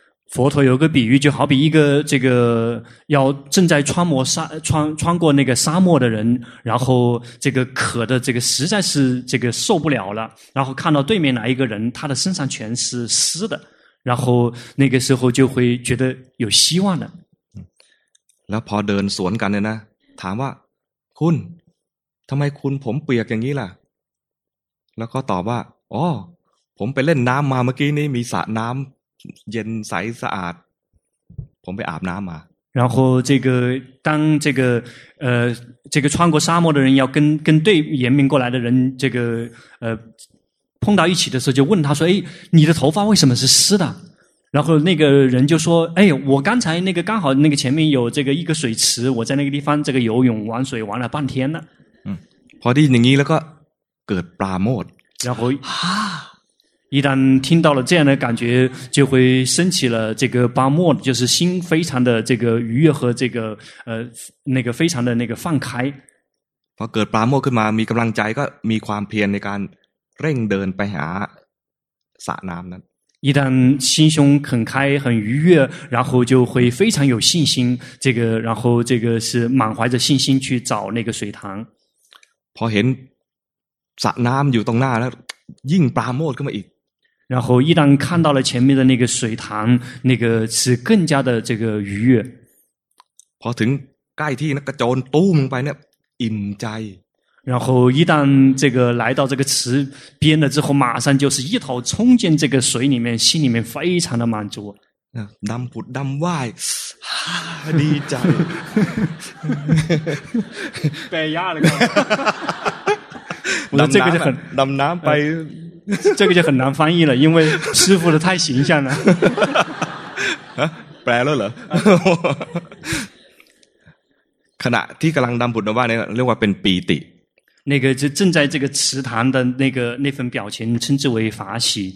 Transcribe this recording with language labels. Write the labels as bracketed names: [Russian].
[Chinese] 佛陀有个比喻，就好比一个这个要正在穿过那个沙漠的人，然后这个渴的这个实在是这个受不了了，然后看到对面来一个人，他的身上全是湿的，然后那个时候就会觉得有希望的。 [Thai] แล้วพอเดินสวนกันเนี่ยนะถามว่าคุณทำไมคุณผมเปียกอย่างนี้ล่ะแล้วก็ตอบว่าอ๋อผมไปเล่นน้ำมาเมื่อกี้นี้มีสระน้ำเย็นใสสะอาดผมไปอาบน้ำมา [Chinese] 然后这个当这个这个穿过沙漠的人要跟对迎面过来的人这个碰到一起的时候就问他说哎你的头发为什么是湿的然后那个人就说哎我刚才那个刚好那个前面有这个一个水池我在那个地方这个游泳玩水玩了半天了 [Thai] พอได้ยินอย่างนี้แล้วก็เกิดปราโมทย์ [Chinese] 然后一旦听到了这样的感觉就会升起了这个巴莫就是心非常的这个愉悦和这个那个非常的那个放开 [Thai] พอเกิดปราโมทย์ขึ้นมามีกำลังใจก็มีความเพียรในการเร่งเดินไปหาสระน้ำนั้น [Chinese] 一旦心胸很开很愉悦然后就会非常有信心这个然后这个是满怀着信心去找那个水塘 [Thai] พอเห็นสระน้ำอยู่ตรงหน้าแล้วยิ่งปราโมทย์ขึ้นมาอีก [Chinese] 然后一旦看到了前面的那个水塘那个是更加的这个愉悦 [Thai] พอถึงใกล้ที่นักกระโจนตู้มลงไปเนี่ยอิ่มใจ [Chinese] 然后一旦这个来到这个池边了之后马上就是一头冲进这个水里面心里面非常的满足 [Thai] ดำผุดดำว่ายดีใจแ ปลยากเลยครับ [Chinese] 那这个就很难难翻，这个就很难翻译了，因为师傅的太形象了。啊，白了了。 [Thai] ขณะที่กำลังดำบุญนะว่าเนี่ยเรียกว่าเป็นปีติ。 [Chinese] 那个就正在这个池塘的那个那份表情称之为法喜。